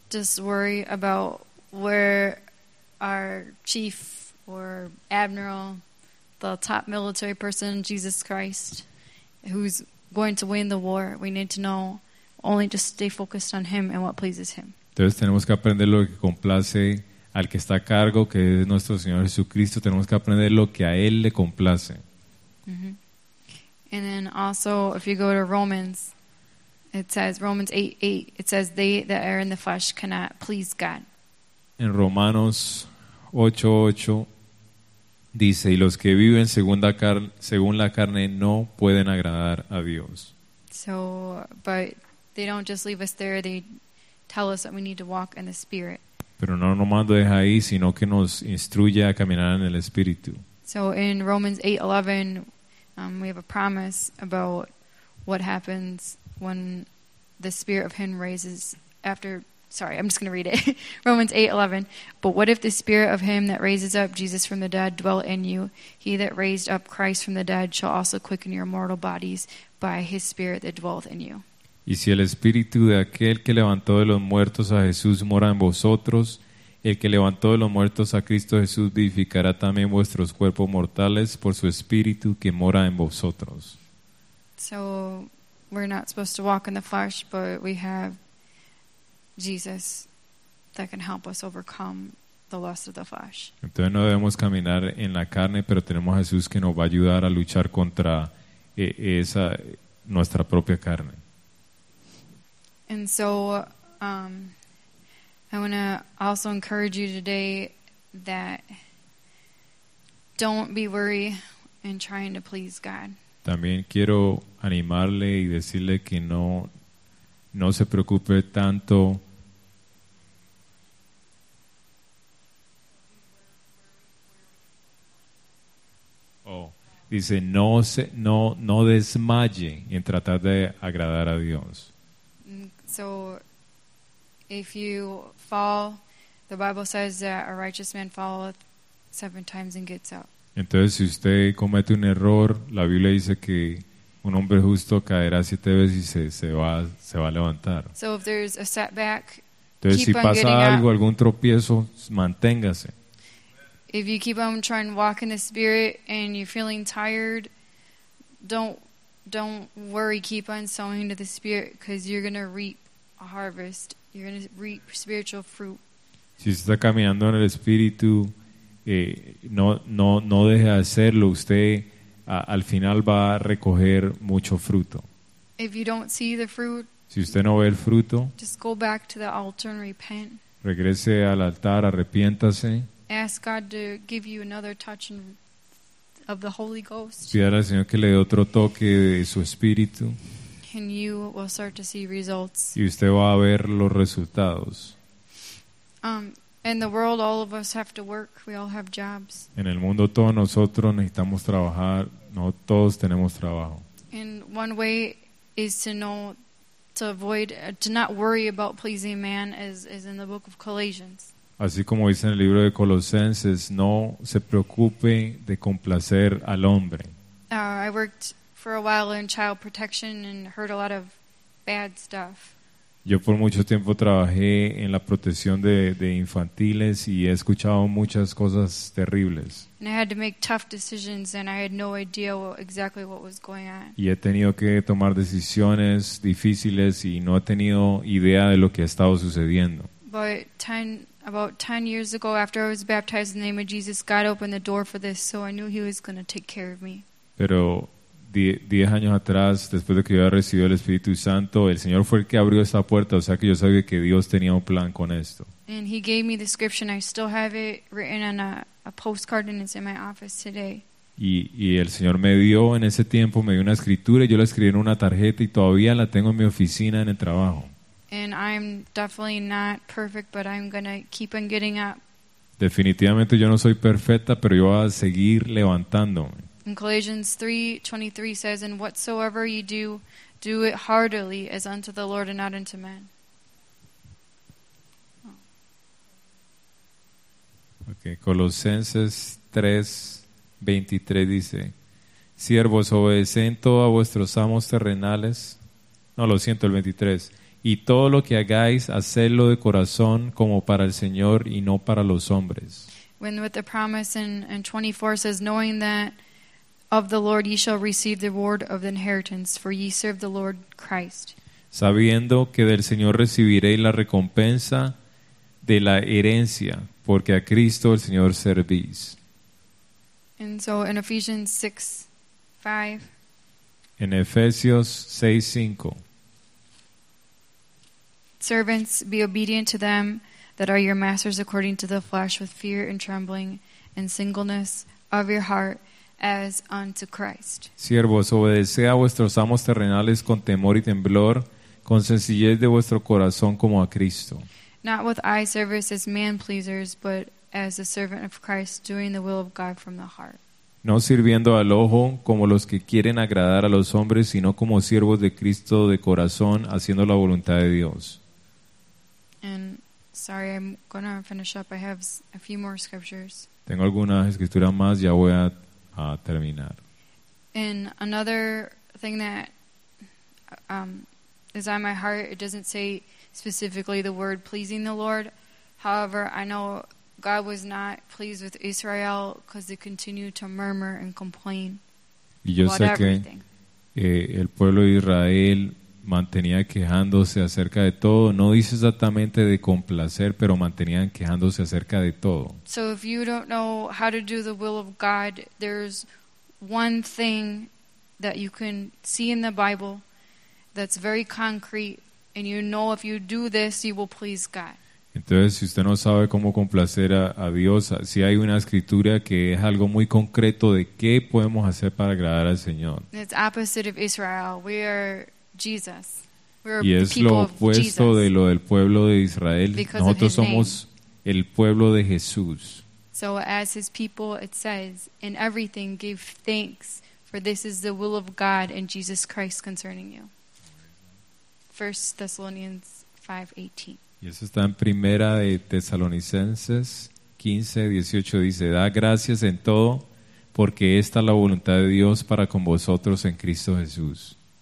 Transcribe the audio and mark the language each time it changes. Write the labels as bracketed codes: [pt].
[en] just worry about where our chief or admiral, the top military person, Jesus Christ, who's going to win the war, we need to know. Only just stay focused on him and what pleases him. [es] Entonces tenemos que aprender lo que complace al que está a cargo, que es nuestro Señor Jesucristo. Tenemos que aprender lo que a él le complace. Mm-hmm. [en] And then also, if you go to Romans, it says, Romans 8:8, it says, they that are in the flesh cannot please God. [es] En Romanos 8:8 dice, y los que viven según la carne no pueden agradar a Dios. [en] So, but they don't just leave us there, they tell us that we need to walk in the Spirit. [es] Pero no nomás lo deja ahí, sino que nos instruye a caminar en el Espíritu. [en] So in Romans 8:11, we have a promise about what happens when the Spirit of Him raises, after Sorry, I'm just going to read it. Romans 8:11. But what if the spirit of him that raises up Jesus from the dead dwell in you? He that raised up Christ from the dead shall also quicken your mortal bodies by his spirit that dwelleth in you. [es] Y si el espíritu de aquel que levantó de los muertos a Jesús mora en vosotros, el que levantó de los muertos a Cristo Jesús vivificará también vuestros cuerpos mortales por su espíritu que mora en vosotros. [en] So, we're not supposed to walk in the flesh, but we have Jesus that can help us overcome the lust of the flesh. [es] Entonces no debemos caminar en la carne, pero tenemos a Jesús que nos va a ayudar a luchar contra esa nuestra propia carne. [en] And so I want to also encourage you today that don't be weary in trying to please God. [es] También quiero animarle y decirle que no se preocupe tanto. Dice, no desmaye en tratar de agradar a Dios. [en] So, if you fall, the Bible says that a righteous man falleth 7 times and gets up. [es] Entonces, si usted comete un error, la Biblia dice que un hombre justo caerá 7 veces y se va a levantar. [en] So, if there's a setback, [es] entonces, [en] keep [es] si pasa [en] on getting [es] algo, [en] up. [es] Algún tropiezo, manténgase. [en] If you keep on trying to walk in the spirit and you're feeling tired, don't worry. Keep on sowing into the spirit because you're going to reap a harvest. You're going to reap spiritual fruit. [es] Si está caminando en el espíritu, no deje de hacerlo. Usted al final va a recoger mucho fruto. [en] If you don't see the fruit, [es] si usted no ve el fruto, [en] just go back to the altar and repent. [es] Regrese al altar, arrepiéntase. [en] Ask God to give you another touch of the Holy Ghost. [es] Pídale al Señor que le dé otro toque de su espíritu. [en] And you will start to see results. [es] Y usted va a ver los resultados. [en] In the world, all of us have to work. We all have jobs. [es] En el mundo, todos nosotros necesitamos trabajar. No todos tenemos trabajo. [en] And one way is to know, to avoid, to not worry about pleasing man, as in the book of Galatians. [es] Así como dice en el libro de Colosenses, no se preocupe de complacer al hombre. [en] I worked for a while in child protection and heard a lot of bad stuff. [es] Yo por mucho tiempo trabajé en la protección de infantiles y he escuchado muchas cosas terribles. [en] And I had to make tough decisions and I had no idea exactly what was going on. [es] Y he tenido que tomar decisiones difíciles y no he tenido idea de lo que ha estado sucediendo. [en] About 10 years ago, after I was baptized in the name of Jesus, God opened the door for this, so I knew He was going to take care of me. [es] Pero 10 años atrás, después de que yo había recibido el Espíritu Santo, el Señor fue el que abrió esa puerta, o sea que yo sabía que Dios tenía un plan con esto. [en] And He gave me the scripture. I still have it written on a postcard, and it's in my office today. [es] Y el Señor me dio en ese tiempo, me dio una escritura, y yo la escribí en una tarjeta, y todavía la tengo en mi oficina en el trabajo. [en] And I'm definitely not perfect, but I'm going to keep on getting up. [es] Definitivamente yo no soy perfecta, pero yo voy a seguir levantándome. [en] In Galatians 3:23 says, "And whatsoever you do, do it heartily, as unto the Lord and not unto men." [es] Oh. Okay, Colosenses 3:23 dice, "Siervos, obedecen todo a vuestros amos terrenales." No, lo siento, el 23. Y todo lo que hagáis, hacedlo de corazón como para el Señor y no para los hombres. [en] When with the promise in 24 says, knowing that of the Lord ye shall receive the reward of the inheritance, for ye serve the Lord Christ. [es] Sabiendo que del Señor recibiréis la recompensa de la herencia, porque a Cristo el Señor servís. [en] And so in Ephesians 6:5. [es] En Efesios 6:5. [en] Servants, be obedient to them that are your masters according to the flesh with fear and trembling and singleness of your heart as unto Christ. [es] Siervos, obedeced a vuestros amos terrenales con temor y temblor, con sencillez de vuestro corazón como a Cristo. [en] Not with eye service as man pleasers, but as a servant of Christ doing the will of God from the heart. [es] No sirviendo al ojo como los que quieren agradar a los hombres, sino como siervos de Cristo de corazón, haciendo la voluntad de Dios. [en] And sorry, I'm going to finish up. I have a few more scriptures. [es] Tengo algunas escrituras más, ya voy a terminar. [en] And another thing that is on my heart, it doesn't say specifically the word pleasing the Lord. However, I know God was not pleased with Israel because they continued to murmur and complain. [es] Y yo sé que el pueblo de Israel mantenía quejándose acerca de todo. No dice exactamente de complacer, pero mantenían quejándose acerca de todo. [en] So if you don't know how to do the will of God, there's one thing that you can see in the Bible that's very concrete, and you know if you do this, you will please God. [es] Entonces, si usted no sabe cómo complacer a Dios, si hay una escritura que es algo muy concreto de qué podemos hacer para agradar al Señor. [en] It's opposite of Israel. We are Jesus. We are [es] y es [en] the people [es] lo opuesto [en] of Jesus [es] de lo del pueblo de Israel. Nosotros somos el pueblo de Jesús. [en] So as his people, it says, in everything give thanks, for this is the will of God and Jesus Christ concerning you. 1 Thessalonians 5:18. [es] Y eso está en Primera de Tesalonicenses 15:18. Dice, da gracias en todo, porque esta es la voluntad de Dios para con vosotros en Cristo Jesús.